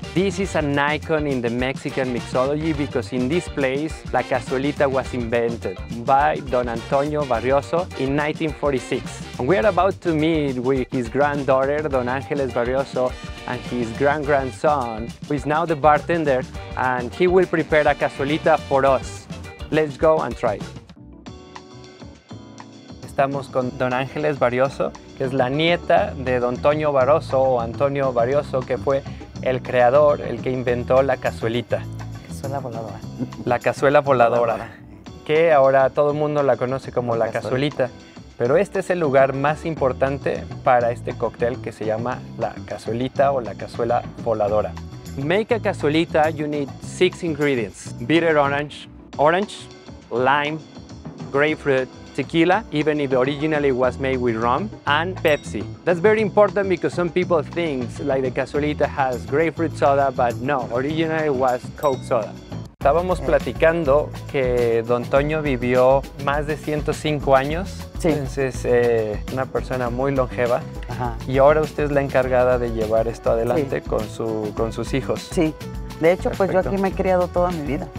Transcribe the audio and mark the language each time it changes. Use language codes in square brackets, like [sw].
[en] This is an icon in the Mexican mixology because in this place, La Cazuelita was invented by Don Antonio Barocio in 1946. And we are about to meet with his granddaughter, Don Ángeles Barocio, and his grand-grandson, who is now the bartender, and he will prepare a cazuelita for us. Let's go and try. [es] Estamos con Don Ángeles Barocio, que es la nieta de Don Antonio Barocio, o Antonio Barocio, que fue el creador, el que inventó la cazuelita. Cazuela voladora. La cazuela voladora. Voladora. Que ahora todo el mundo la conoce como la cazuelita. Pero este es el lugar más importante para este cóctel que se llama la cazuelita o la cazuela voladora. [en] Make a cazuelita, you need 6 ingredients. Bitter orange, lime, grapefruit, tequila, even if originally was made with rum, and Pepsi. That's very important because some people think like the cazuelita has grapefruit soda, but no, originally was Coke soda. [es] Estábamos platicando que Don Toño vivió más de 105 años. Sí. Entonces, una persona muy longeva. Ajá. Y ahora usted es la encargada de llevar esto adelante. Sí. con sus hijos. Sí. De hecho, perfecto. Pues yo aquí me he criado toda mi vida.